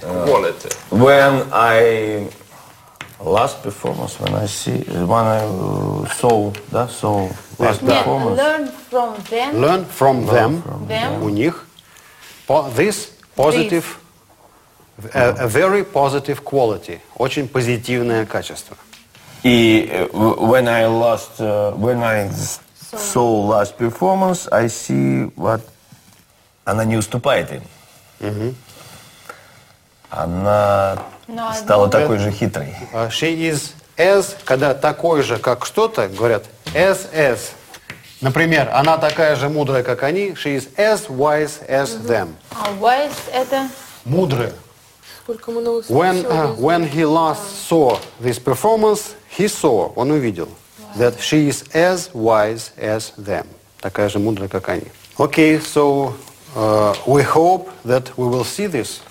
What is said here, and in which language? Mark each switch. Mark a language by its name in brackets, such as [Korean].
[English] Quality. When I... Last performance, when I see... When I saw... Да, saw last performance. Learn from them. Learn from them. Them. [Russian] У них. [English] This positive... This. A very positive quality. [Russian] Очень позитивное качество. [English] И when I lost, when I saw last performance, I see what... [Russian] Она не уступает им. Она стала такой же хитрой. [English] She is as, [Russian] когда такой же, как что-то, говорят, as. Например, она такая же мудрая, как они. [English] She is as wise as them. [Russian] А wise – это? Мудрая. [English] When he last saw this performance, he saw, [Russian] он увидел, [English] that she is as wise as them. [Russian] Такая же мудрая, как они. [English] Okay, so we hope that we will see this.